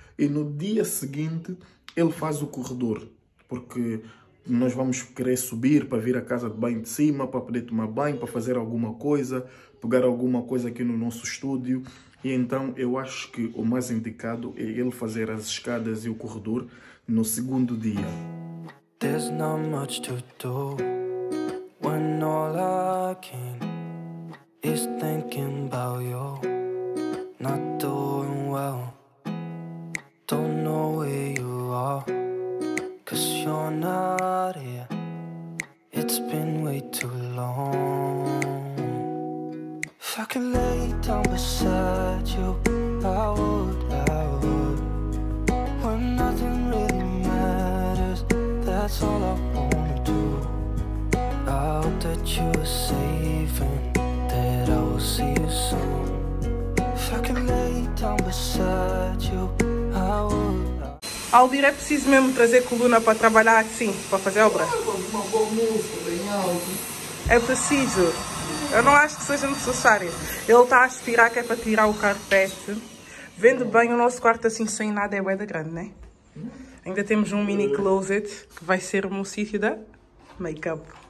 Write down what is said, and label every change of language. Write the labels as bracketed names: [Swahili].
[Portuguese] E no dia seguinte, ele faz o corredor. Porque nós vamos querer subir para vir à casa de banho de cima, para poder tomar banho, para fazer alguma coisa, pegar alguma coisa aqui no nosso estúdio. E então eu acho que o mais indicado é ele fazer as escadas e o corredor no segundo dia. [English] There's not much to do when all I can is thinking about you. Not doing well. Don't know where you are. Cause you're not here. It's been way too long. If I could lay down beside you, I would, I would. When nothing really matters, that's all I wanna do. I hope that you are safe and that I will see you soon. If I could lay down beside you, I would. [Portuguese] Aldir, é preciso mesmo trazer coluna para trabalhar assim, para fazer obra? É preciso. Eu não acho que seja necessário. Ele está a aspirar, que é para tirar o carpete. Vendo bem, o nosso quarto assim sem nada é bué da grande, né? Ainda temos um mini closet, que vai ser o meu sítio da make-up.